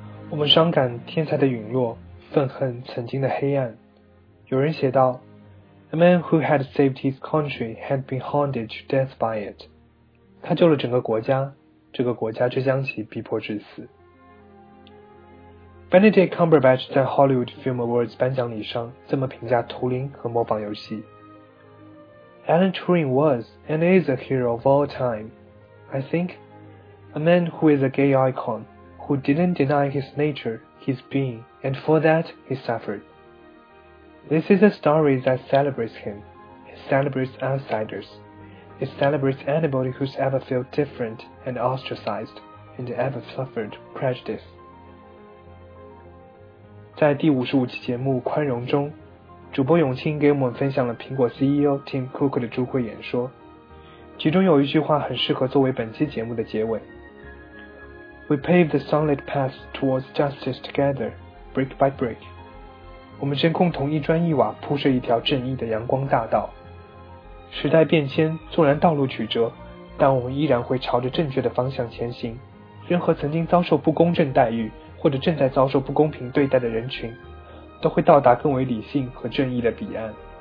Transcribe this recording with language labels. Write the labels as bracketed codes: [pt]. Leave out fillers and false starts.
[zh] We 伤感天才的陨落，愤恨曾经的黑暗。有人写道 [en] ,A man who had saved his country had been haunted to death by it. [zh] 他救了整个国家，这个国家却将其逼迫致死。 Benedict Cumberbatch 在 Hollywood Film Awards 颁奖礼上这么评价图灵和模仿游戏。 [en] Alan Turing was and is a hero of all time. I think, a man who is a gay icon, who didn't deny his nature,his being, and for that he suffered. This is a story that celebrates him, it celebrates outsiders, it celebrates anybody who's ever felt different and ostracized, and ever suffered prejudice. [zh] 在第55期节目《宽容》中，主播永清给我们分享了苹果 CEO Tim Cook 的智慧演说，其中有一句话很适合作为本期节目的结尾。 [en] We pave the sunlit path towards justice together, brick by brick. [zh] 我们先共同一砖一瓦铺设一条正义的阳光大道。时代变迁，纵然道路曲折，但我们依然会朝着正确的方向前行。任何曾经遭受不公正待遇或者正在遭受不公平对待的人群，都会到达更为理性和正义的彼岸。